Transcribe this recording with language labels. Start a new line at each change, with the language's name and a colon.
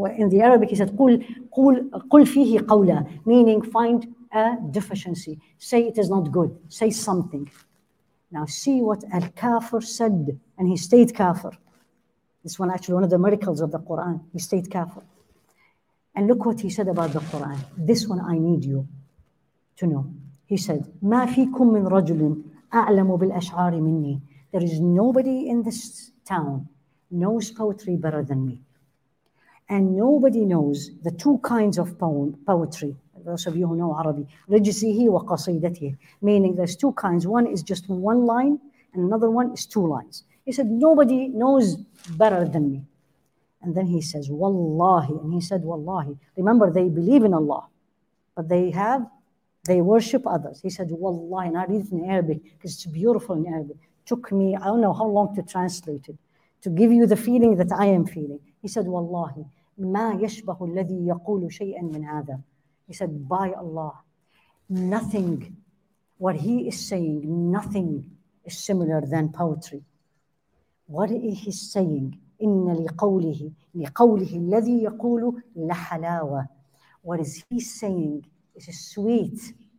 English: In the Arabic, he said,
Arabic: قُلْ فِيهِ قَوْلًا,
English: meaning find a deficiency. Say it is not good. Say something. Now see what Al-Kafir said, and he stayed Kafir. This one actually one of the miracles of the Quran. He stayed kafir. And look what he said about the Quran. This one I need you to know. He said,
Arabic: مَا فِيكُم مِّن رَجُلٍ أَعْلَمُ بِالْأَشْعَارِ مِنِّي.
English: There is nobody in this town knows poetry better than me. And nobody knows the two kinds of poetry. Those of you who know Arabic.
Arabic: رَجِسِهِ وَقَصِيدَتِهِ.
English: Meaning there's two kinds. One is just one line and another one is two lines. He said, nobody knows better than me. And then he says, Wallahi. And he said, Wallahi. Remember, they believe in Allah, but they worship others. He said, Wallahi. And I read it in Arabic because it's beautiful in Arabic. Took me, I don't know how long to translate it, to give you the feeling that I am feeling. He said, Wallahi.
Arabic: ما يشبه الذي يقول شيئا من هذا.
English: He said, by Allah, nothing, what he is saying, nothing is similar than poetry. What is he saying?
Arabic: إِنَّ لِقَوْلِهِ لِقَوْلِهِ الَّذِي يَقُولُ لَحَلَاوَ.
English: What is he saying? It is sweet.